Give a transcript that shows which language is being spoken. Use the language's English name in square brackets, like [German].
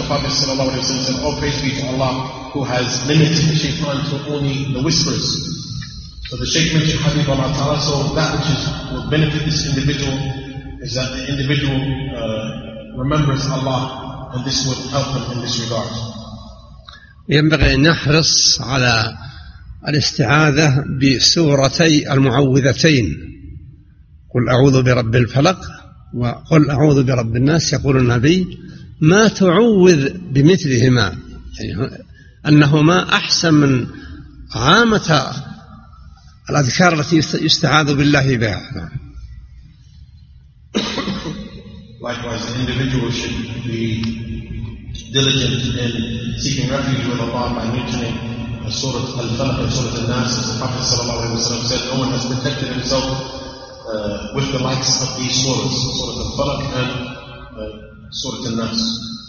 [English] In the Prophet sallallahu alaihi wasallam said, all praise be to Allah who has limited the shaitan to only the whispers. So the shaykh mentioned Habib Allah Ta'ala, so that which will benefit this individual is that the individual remembers Allah, and this would help him in this regard. [Arabic] ينبغي أن يحرص على الاستعاذة بسورتي المعوذتين، قل أعوذ برب الفلق وقل أعوذ برب الناس. يقول النبي ما تعوذ بمثلهما، يعني أنهما أحسن من عامة الأذكار التي يستعاذ بالله بها. [English] Likewise, the individual should be diligent in seeking refuge with Allah by mentioning a surah Al-Falaq and surah Al-Nas. As the Prophet sallallahu alaihi wasallam said, no one has protected himself with the likes of these surahs, surah Al-Falaq and surah Al-Nas.